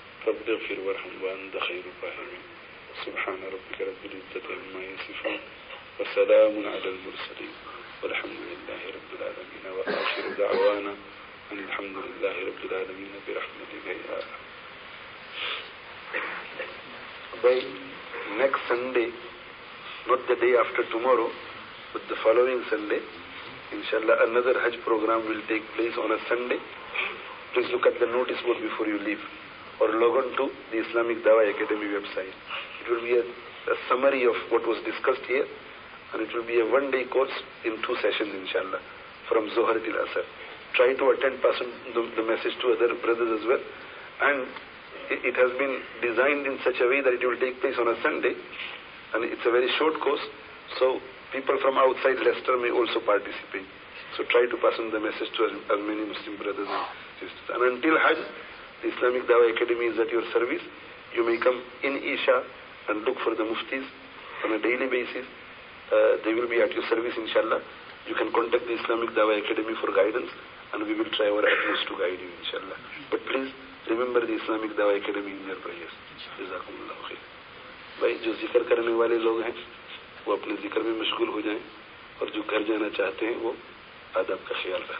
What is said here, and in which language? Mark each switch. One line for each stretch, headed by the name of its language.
Arabic: رب اغفر وارحم وانت خير الراحمين. سبحان ربك رب العزة عما يصفون, وسلام على المرسلين, والحمد لله رب العالمين, واخر دعوانا ان الحمد لله رب العالمين برحمتك يا ارحم.
English: By next Sunday, not the day after tomorrow, but the following Sunday, inshallah, another Hajj program will take place on a Sunday. Please look at the notice board before you leave, or log on to the Islamic Dawah Academy website. It will be a summary of what was discussed here, and it will be a one-day course in two sessions, inshallah, from Zuhr till Asr. Try to attend, pass on the message to other brothers as well, and it has been designed in such a way that it will take place on a Sunday, and it's a very short course, so people from outside Leicester may also participate. So try to pass on the message to as many Muslim brothers and sisters. And until Hajj, the Islamic Dawah Academy is at your service. You may come in Isha and look for the Muftis on a daily basis. They will be at your service, inshallah. You can contact the Islamic Dawah Academy for guidance, and we will try our utmost to guide you, inshallah. But please, remember the Islamic Dawah Academy in your prayers.
Arabic: جزاکم اللہ خیر.
Urdu: بھائی جو ذکر کرنے والے لوگ ہیں وہ اپنے ذکر میں مشغول ہو جائیں, اور جو گھر جانا چاہتے ہیں وہ آداب کا خیال رکھتے ہیں.